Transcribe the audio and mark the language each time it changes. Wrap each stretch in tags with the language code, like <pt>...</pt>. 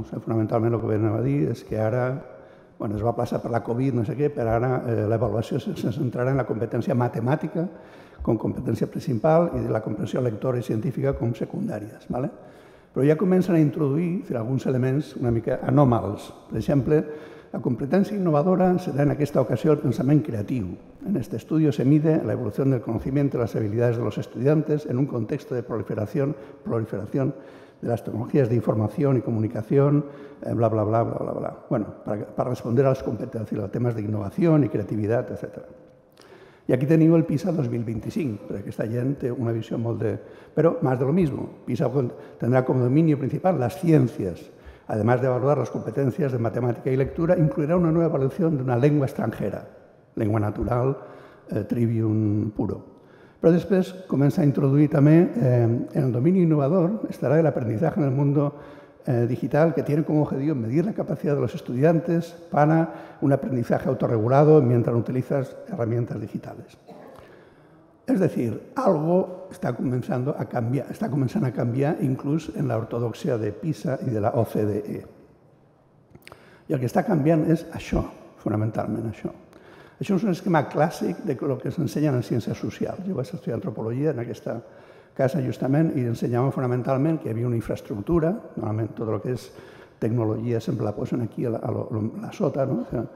<es>O sea,</es> <ca>fonamentalment el que venen a dir és que ara, bueno, es va passar per la Covid, no sé què, però ara l'avaluació se centrarà en la competència matemàtica com competència principal i de la comprensió lectora i científica com secundàries. ¿Vale? Però ja comencen a introduir alguns elements una mica anòmals. Per exemple, la competència innovadora serà en aquesta ocasió el pensament creatiu.</ca> <es>En este estudio se mide la evolución del conocimiento y las habilidades de los estudiantes en un contexto de proliferación de las tecnologías de información y comunicación, bla, bla, bla, bla, bla, bla. Bueno, para responder a las competencias, a temas de innovación y creatividad, etc.</es> <ca>I aquí teniu el PISA 2025, perquè aquesta gent té una visió molt de... Però, més de</ca> <es>lo mismo, PISA tendrá como dominio principal las ciencias. Además de evaluar las competencias de matemática y lectura, incluirá una nueva evaluación de una lengua extranjera, lengua natural, Trivium puro.</es> <ca>Però després comença a introduir també en el domini innovador estarà el</ca> <es>aprendizaje en el mundo digital, que tiene como objetivo medir la capacidad de los estudiantes para un aprendizaje autorregulado mientras utilizas herramientas digitales. Es decir, algo está comenzando a cambiar, incluso en la ortodoxia de PISA y de la OCDE. Y el que está cambiando es</es> <ca>això, fonamentalmente això. Això és un esquema clàssic de</ca> <es>lo que</es> <ca>s'ensenya en ciències socials. Jo vaig estudiar antropologia en aquesta casa justament i ensenyàvem fonamentalment que hi havia una infraestructura, normalment tot el que és tecnologia sempre la posen aquí a la sota, no?</ca>